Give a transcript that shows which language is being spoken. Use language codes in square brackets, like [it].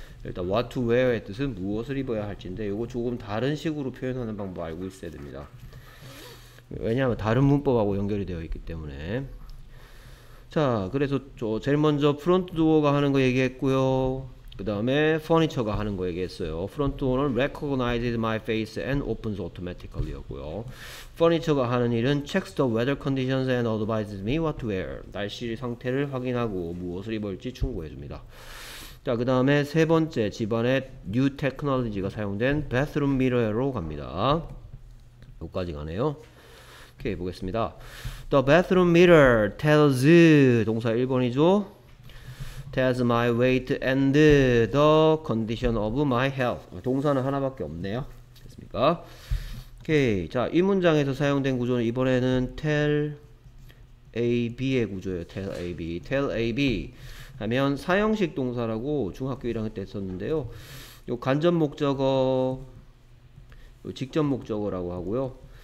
[ko] 일단 [en] what to wear [ko] 의 뜻은 무엇을 입어야 할지인데 요거 조금 다른 식으로 표현하는 방법 알고 있어야 됩니다. 왜냐하면 다른 문법하고 연결이 되어 있기 때문에. 자, 그래서 제일 먼저 프론트 도어가 하는 거 얘기했고요. 그 다음에 퍼니처가 하는 거 얘기했어요. 프론트 도어는 [en] recognizes my face and opens automatically [ko] 였고요. 퍼니처가 하는 일은 [en] checks the weather conditions and advises me what to wear. [ko] 날씨 상태를 확인하고 무엇을 입을지 충고해줍니다. 자, 그 다음에 세 번째 집안에 [en] new technology [ko] 가 사용된 [en] bathroom mirror [ko] 로 갑니다. 여기까지 가네요. 오케이, 보겠습니다. [en] The bathroom mirror tells [ko] 동사 1번이죠. [en] Tells my weight and the condition of my health. [ko] 동사는 하나밖에 없네요. 됐습니까? 오케이. 자, 이 문장에서 사용된 구조는 이번에는 tell AB의 구조예요. Tell AB. Tell AB 하면 사형식 동사라고 중학교 1학년 때 썼는데요. 요 간접 목적어, 요 직접 목적어라고 하고요.